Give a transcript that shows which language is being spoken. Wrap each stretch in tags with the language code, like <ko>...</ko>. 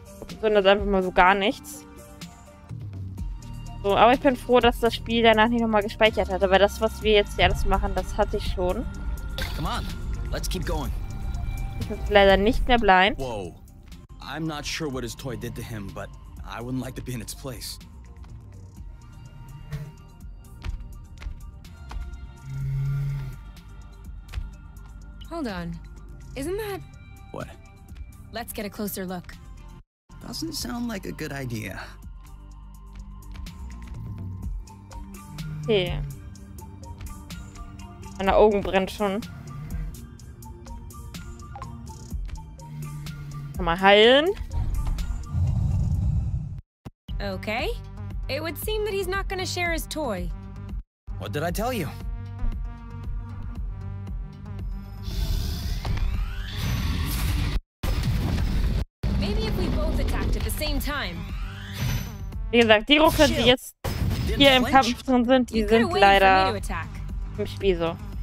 <de>Das ändert einfach mal so gar nichts. So, aber ich bin froh, dass das Spiel danach nicht nochmal gespeichert hat, aber das, was wir jetzt hier alles machen, das hatte ich schon.</de> <en>Come on, let's keep going.</en> <de>Ich bin leider nicht mehr blind.</de> <en>Wow. I'm not sure what his toy did to him, but I wouldn't like to be in its place. Hold on. Isn't that... What? Let's get a closer look. Doesn't sound like a good idea. Okay.</en> <de>Meine Augen brennen schon. Kann man heilen? Okay.</de> <en>It would seem that he's not gonna share his toy. What did I tell you? Maybe if we both attacked at the same time.</en> <de>Wie gesagt, die Rucke, die jetzt hier im Kampf drin sind, die sind leider im Spiel so.</de>